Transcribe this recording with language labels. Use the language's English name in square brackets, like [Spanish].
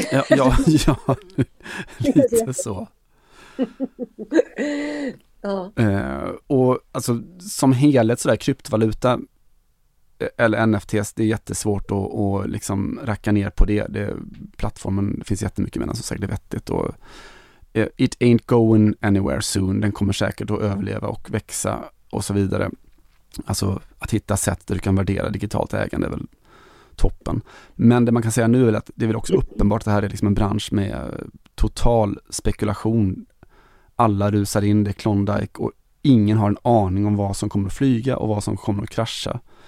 [Swedish] Ja, lite så. Ja. Och alltså, som helhet så där, kryptovaluta eller NFTs, det är jättesvårt att liksom racka ner på det. Det plattformen, det finns jättemycket medan som sagt, det är vettigt. [English] Och, it ain't going anywhere soon. [Swedish] Den kommer säkert att överleva och växa och så vidare. Alltså att hitta sätt där du kan värdera digitalt ägande är väl toppen. Men det man kan säga nu är att det är väl också uppenbart att det här är liksom en bransch med total spekulation. Alla rusar in, det är Klondike och ingen har en aning om vad som kommer att flyga och vad som kommer att krascha.